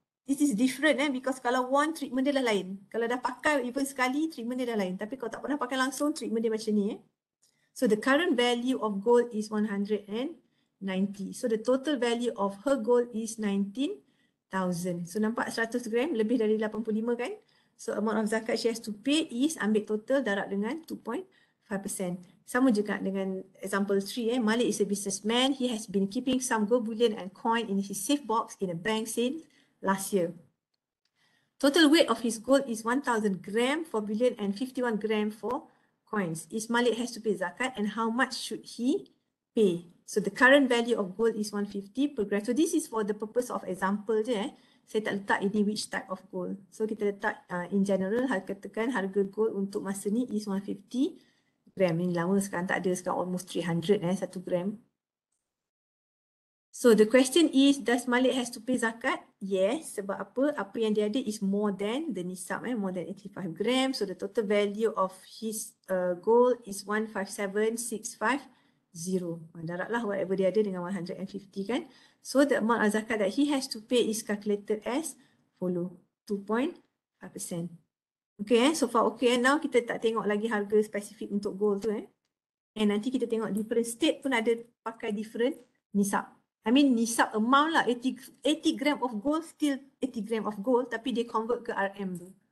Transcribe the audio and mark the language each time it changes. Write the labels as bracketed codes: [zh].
[ms] This is different eh, because kalau worn treatment dia dah lain. Kalau dah pakai even sekali treatment dia dah lain. Tapi kalau tak pernah pakai langsung treatment dia macam ni eh. So the current value of gold is 190. [en] So the total value of her gold is 19,000. [ms] So nampak 100 gram lebih dari 85 kan. [en] So amount of zakat she has to pay is ambil total darab dengan 2.5%. [ms] Sama juga dengan example 3 eh. Malik is a businessman. [en] He has been keeping some gold bullion and coin in his safe box in a bank since last year. Total weight of his gold is 1,000 gram for bullion and 51 gram for coins. Is Malik has to pay zakat and how much should he pay? So the current value of gold is 150 per gram. So this is for the purpose of example je eh. [ms] Saya tak letak ini which type of gold. So kita letak in general katakan harga gold untuk masa ni is 150 gram. Ini lama sekarang tak ada, sekarang almost 300 eh, 1 gram. [en] So the question is does Malik has to pay zakat? Yes, sebab apa? Apa yang dia ada is more than the nisab eh, more than 85 gram. So the total value of his gold is 157,650. [ms] Daraplah whatever dia ada dengan 150 kan. [en] So the amount of zakat that he has to pay is calculated as follow, 2.5%. [ms] Okay eh, so far okay eh. Now kita tak tengok lagi harga spesifik untuk gold tu eh. And nanti kita tengok different state pun ada pakai different nisab. [en] I mean nisab amount lah, 80 gram of gold still 80 gram of gold tapi dia convert ke RM tu.